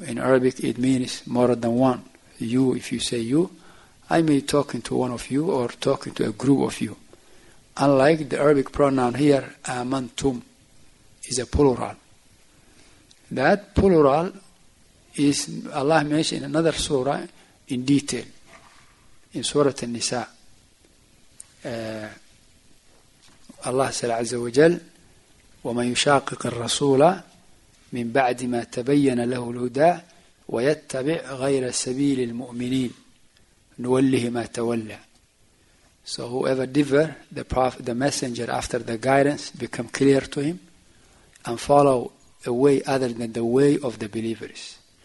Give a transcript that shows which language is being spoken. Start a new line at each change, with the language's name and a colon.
English: In Arabic it means more than one. You, if you say you, I may talk to one of you or talk to a group of you. Unlike the Arabic pronoun here, amantum, is a plural. That plural is Allah mentioned in another surah in detail, in Surah An-Nisa. Allah said,
Arabic: Azza wa Jal, وَمَنْ يُشَاقِقِ الرَّسُولَ مِنْ بَعْدِ مَا تَبَيَّنَ لَهُ الْهُدَى وَيَتَّبِعْ غَيْرَ سَبِيلِ الْمُؤْمِنِينَ نُوَلِّهِ مَا تَوَلَّى.
English: So whoever differ the prophet, the messenger after the guidance become clear to him and follow a way other than the way of the believers.